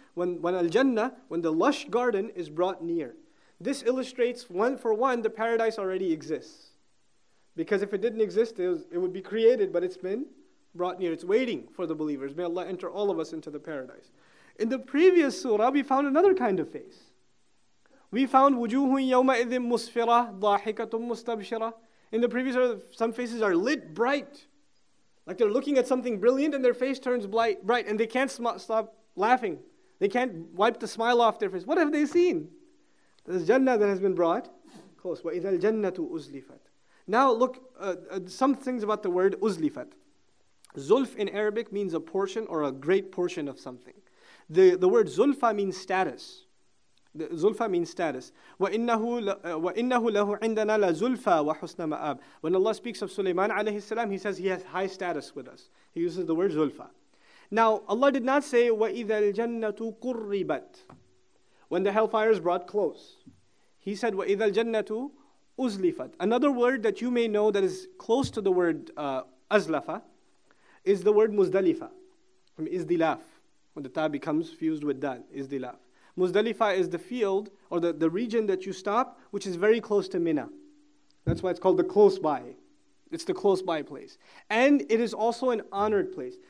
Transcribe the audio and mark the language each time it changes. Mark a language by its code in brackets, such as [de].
[en] When الْجَنَّةُ, when the lush garden is brought near. This illustrates, one for one, the paradise already exists. Because if it didn't exist, it would be created, but it's been brought near. It's waiting for the believers. May Allah enter all of us into the paradise. In the previous surah, we found another kind of face. We found [ar] وُجُوهٌ يَوْمَئِذٍ مُسْفِرَةٌ ضَاحِكَةٌ مُسْتَبْشِرَةٌ. [en] In the previous, some faces are lit bright. Like they're looking at something brilliant and their face turns bright and they can't stop laughing. They can't wipe the smile off their face. What have they seen? This Jannah that has been brought close. [ar] وَإِذَا الْجَنَّةُ أُزْلِفَتْ. [en] Now look, some things about the word أُزْلِفَتْ. Zulf in Arabic means a portion or a great portion of something. The word zulfa means status. Zulfa means status. [ar] وَإِنَّهُ لَهُ عِنْدَنَا لَزُلْفَى وَحُسْنَ مَآبٍ. [en] When Allah speaks of Sulaiman alayhi salam, He says he has high status with us. He uses the word zulfa. Now, Allah did not say [ar] وَإِذَا الْجَنَّةُ قُرِّبَتْ. [en] When the hellfire is brought close. He said [ar] وَإِذَا الْجَنَّةُ أُزْلِفَتْ. [en] Another word that you may know that is close to the word أَزْلَفَ is the word مُزْدَلِفَ. From إِزْدِلَاف. When the ta becomes fused with dal. [ar] إِزْدِلَاف. [en] Muzdalifa is the field or the region that you stop, which is very close to Mina. That's why it's called the close by. It's the close by place. And it is also an honored place.